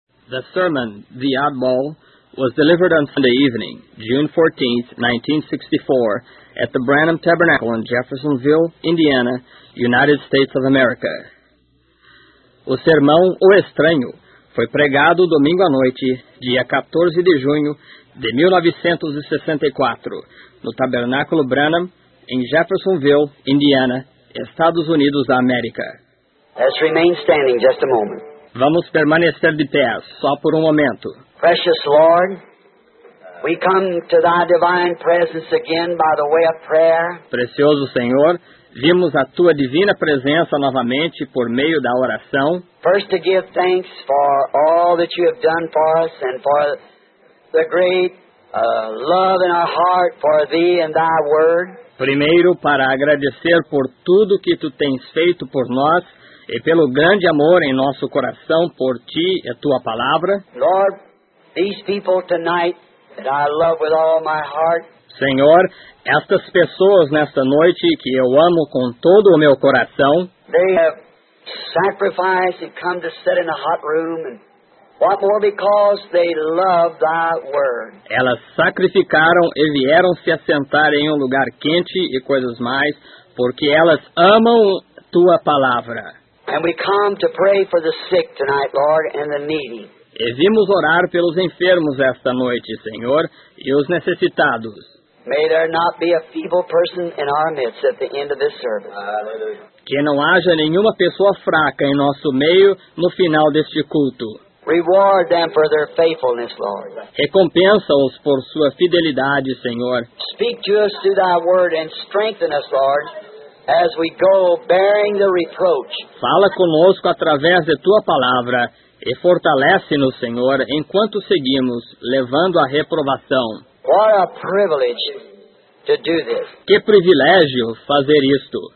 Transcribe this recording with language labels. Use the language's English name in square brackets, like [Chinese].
[English] The sermon, The Oddball, was delivered on Sunday evening, June 14, 1964, at the Branham Tabernacle in Jeffersonville, Indiana, United States of America. [Portuguese] O sermão O Estranho foi pregado domingo à noite, dia 14 de junho de 1964, no Tabernáculo Branham, em Jeffersonville, Indiana, Estados Unidos da América. [English] Let's remain standing just a moment. [Portuguese] Vamos permanecer de pé só por um momento. [English] Precious Lord, we come to thy divine presence again by the way of prayer. [Portuguese] Precioso Senhor, vimos a tua divina presença novamente por meio da oração. [English] First to give thanks for all that you have done for us and for the great love in our heart for thee and thy word. [Portuguese] Primeiro para agradecer por tudo que tu tens feito por nós e pelo grande amor em nosso coração por ti e tua palavra. [English] Lord, these people tonight that I love with all my heart. [Portuguese] Senhor, estas pessoas nesta noite que eu amo com todo o meu coração. [English] They have sacrificed and come to sit in a hot room and what more because they love thy word. [Portuguese] Elas sacrificaram e vieram se assentar em um lugar quente e coisas mais porque elas amam tua palavra. [English] And we come to pray for the sick tonight, Lord, and the needy. [Portuguese] E vimos orar pelos enfermos esta noite, Senhor, e os necessitados. [English] May there not be a feeble person in our midst at the end of this service. Hallelujah. [Portuguese] Que não haja nenhuma pessoa fraca em nosso meio no final deste culto. [English] Reward them for their faithfulness, Lord. [Portuguese] Recompensa-os por sua fidelidade, Senhor. [English] Speak to us through thy word and strengthen us, Lord. As we go bearing the reproach. [Portuguese] Fala conosco através de tua palavra e fortalece-nos, Senhor, enquanto seguimos levando a reprovação. [English] What a privilege to do this. [Portuguese] Que privilégio fazer isto.